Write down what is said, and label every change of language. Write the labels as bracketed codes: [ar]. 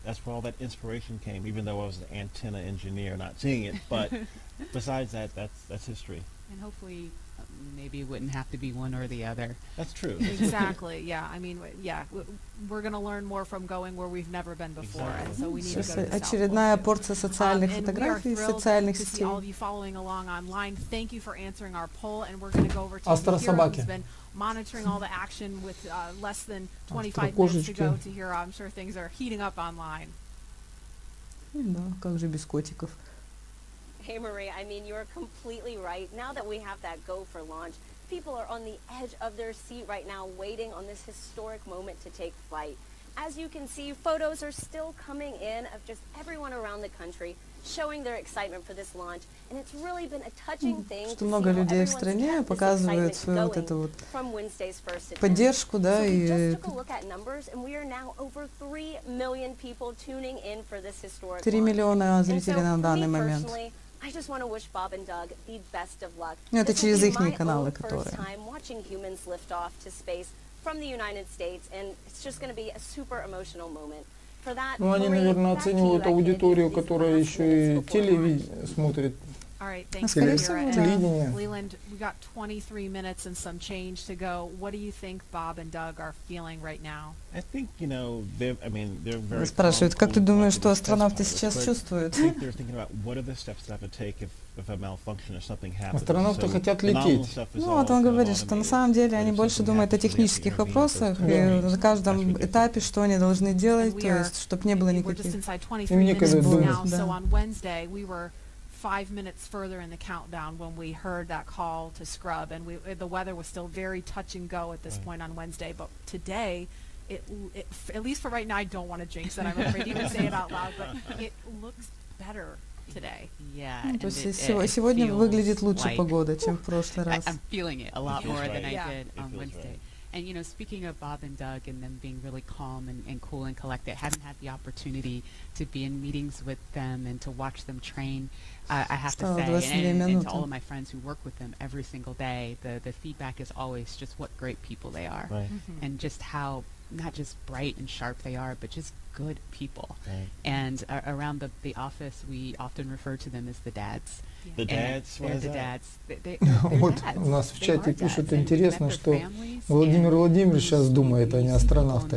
[en] That's where all that inspiration came, even though I was an antenna engineer not seeing it. But besides that, that's history. And hopefully maybe it wouldn't have to be one or the other. That's true. Exactly. Yeah. I mean, yeah. We're going to learn more from going where we've never been before. Exactly. And so we need to go to the South. [ru] Очередная порция социальных фотографий из социальных сетей. [en] And we are all of you following along online. Thank you for answering our poll. And we're going to go over to the hero who's been monitoring all the action with less than 25 minutes to go to hero. I'm sure things are heating up online. [ru] Да, как же без котиков. [en] Hey, Marie, I mean, you're completely right. Now that we have that go for launch, people are on the edge of their seat right now waiting on this historic moment to take flight. As you can see, photos are still coming in of just everyone around the country showing their excitement for this launch. And it's really been a touching thing to see how everyone's kept this excitement going from Wednesday's first attempt. So we just took a look at numbers, and we are now over 3 million people tuning in for this historic launch. And so, me personally, I just want to wish Bob and Doug the best of luck. [ru] Ну, это через их каналы, которые. [en] This is my first time watching humans lift off to space from the United States, and it's just going to be a super emotional moment. For that, [ru] ну, они, наверное, оценивают аудиторию, которая еще и телевидение смотрит. [en] All right, thank you, Leland. Leland, we got 23 minutes and some change to go. What do you think Bob and Doug are feeling right now? I think, you know, they're very. [ru] Вы спрашивают, как ты думаешь, что астронавты сейчас чувствуют? [en] They're thinking about what are the steps that I have to take if a malfunction or something happens. [ru] Астронавты хотят лететь. Ну, вот он говорит, что на самом деле они больше думают о технических вопросах и на каждом этапе, что они должны делать, то есть, чтобы не было никаких. И мне кажется, [en] so on Wednesday we were 5 minutes further in the countdown when we heard that call to scrub, and the weather was still very touch and go at this right. point on Wednesday. But today, at least for right now, I don't want to jinx it. I'm afraid to say it out loud, but it looks better today. Yeah. [ru] То есть сегодня выглядит лучше погода, чем в прошлый раз. [en] I'm feeling it a lot more than I did on Wednesday. And you know, speaking of Bob and Doug and them being really calm and cool and collected, haven't had the opportunity to be in meetings with them and to watch them train. I have to say, and to all of my friends who work with them every single day, the feedback is always just what great people they are, right. mm-hmm. and just how not just bright and sharp they are, but just good people. Right. And around the office, we often refer to them as the dads. The dads, what is that? [ru] У нас в чате пишут, интересно, что Владимир Владимирович сейчас думает, а не астронавты.